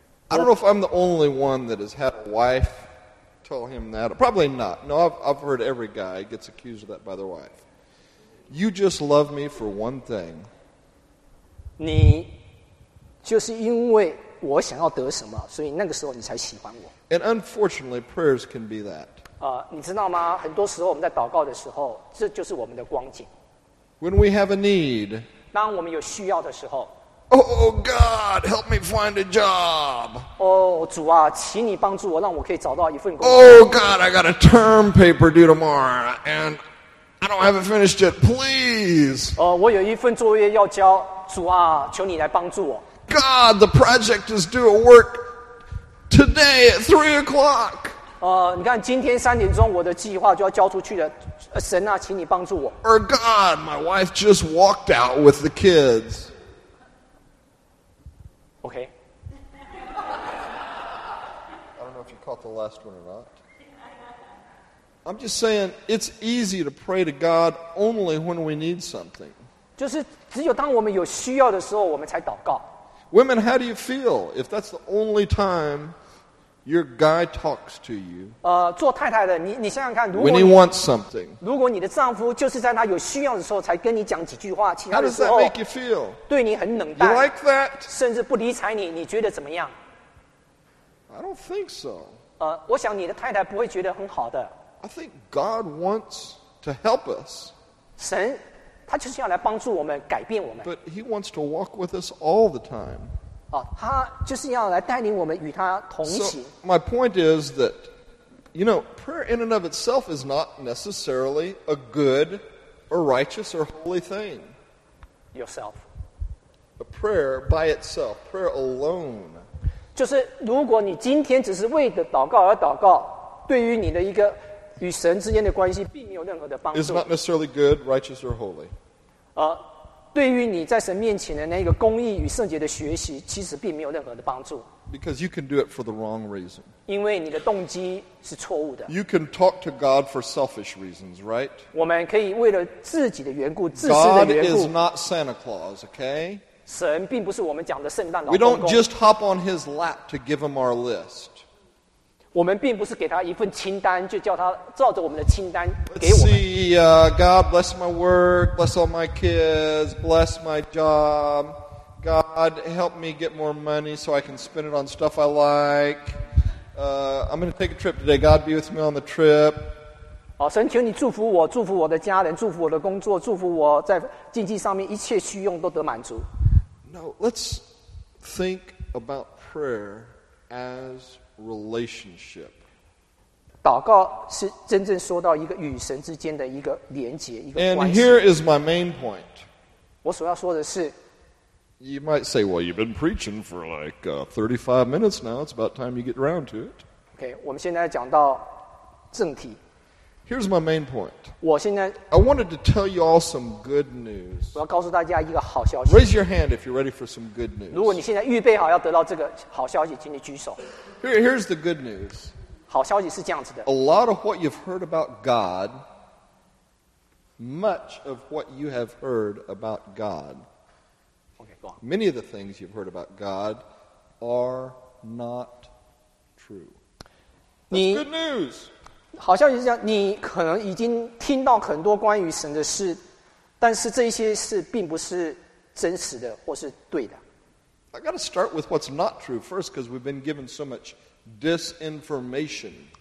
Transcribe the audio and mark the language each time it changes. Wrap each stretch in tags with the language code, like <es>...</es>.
<en>I don't know if I'm the only one that has had a wife tell him that. Probably not. No, I've heard every guy gets accused of that by their wife. You just love me for one thing.</en> <zh>你就是因为我想要得什么，所以那个时候你才喜欢我。</zh> <en>And unfortunately, prayers can be that.</en> <zh>你知道吗？很多时候我们在祷告的时候，这就是我们的光景。</zh> <en>When we have a need.</en> <zh>当我们有需要的时候。</zh> <en>Oh God, help me find a job.</en> <zh>主啊，请你帮助我，让我可以找到一份工作。</zh> <en>Oh God, I got a term paper due tomorrow, and I don't have it finished yet. Please.</en> <zh>我有一份作业要交，主啊，求你来帮助我。</zh> <en>God, the project is due at work. Today at 3 o'clock.</en> <zh>你看今天三点钟我的计划就要交出去了。神啊，请你帮助我。</zh> <en>Or God, my wife just walked out with the kids. Okay. I don't know if you caught the last one or not. I'm just saying it's easy to pray to God only when we need something.</en> <zh>就是只有当我们有需要的时候，我们才祷告。</zh> <en>Women, how do you feel if that's the only time your guy talks to you?</en> <zh>做太太的，你想想看，如果</zh> <en>when he wants something,</en> <zh>如果你的丈夫就是在他有需要的时候才跟你讲几句话，其他的时候</zh> <en>how does that make you feel?</en> <zh>对你很冷淡</zh> <en>you like that?</en> <zh>甚至不理睬你，你觉得怎么样？</zh> <en>I don't think so.</en> <zh>我想你的太太不会觉得很好的。</zh> <en>I think God wants to help us.</en> <zh>神他就是要来帮助我们，改变我们。</zh> <en>But he wants to walk with us all the time.</en> <zh>他就是要来带领我们与他同行。</zh> <en>So my point is that, you know, prayer in and of itself is not necessarily a good, or righteous, or holy thing. Yourself. A prayer by itself, prayer alone.</en> <zh>就是如果你今天只是为了祷告而祷告，对于你的一个与神之间的关系并没有任何的帮助。</zh> <en>Is not necessarily good, righteous, or holy.</en> <zh>对于你在神面前的那个公义与圣洁的学习，其实并没有任何的帮助。</zh> <en>Because you can do it for the wrong reason.</en> <zh>因为你的动机是错误的。</zh> <en>You can talk to God for selfish reasons, right?</en> <zh>我们可以为了自己的缘故，自私的缘故。</zh> <en>God is not Santa Claus, okay?</en> <zh>神并不是我们讲的圣诞老公公。</zh> <en>We don't just hop on his lap to give him our list.</en> <zh>我们并不是给他一份清单，就叫他照着我们的清单给我们。</zh> <en>Let's see, God bless my work, bless all my kids, bless my job. God help me get more money so I can spend it on stuff I like. I'm going to take a trip today. God be with me on the trip.</en> <zh>神求你祝福我，祝福我的家人，祝福我的工作，祝福我在经济上面一切需用都得满足。</zh> <en>No, let's think about prayer as relationship.</en> <zh>祷告是真正说到一个与神之间的一个连结，一个关系。</zh> <en>And here is my main point.</en> <zh>我所要说的是，</zh> <en>You might say, well, you've been preaching for like 35 minutes now. It's about time you get around to it. Okay,</en> <zh>我们现在讲到正题。</zh> <en>Here's my main point.</en> <zh>我现在</zh> <en>I wanted to tell you all some good news.</en> <zh>我要告诉大家一个好消息。</zh> <en>Raise your hand if you're ready for some good news.</en> <zh>如果你现在预备好要得到这个好消息，请你举手。</zh> <en>Here's the good news.</en> <zh>好消息是这样子的。</zh> <en>A lot of what you've heard about God, much of what you have heard about God,Many of the things you've heard about God are not true. That's good news.</en> <zh>好像就是这样，你可能已经听到很多关于神的事，但是这些事并不是真实的或是对的。</zh> <en>I got to start with what's not true first, because we've been given so much disinformation.</en>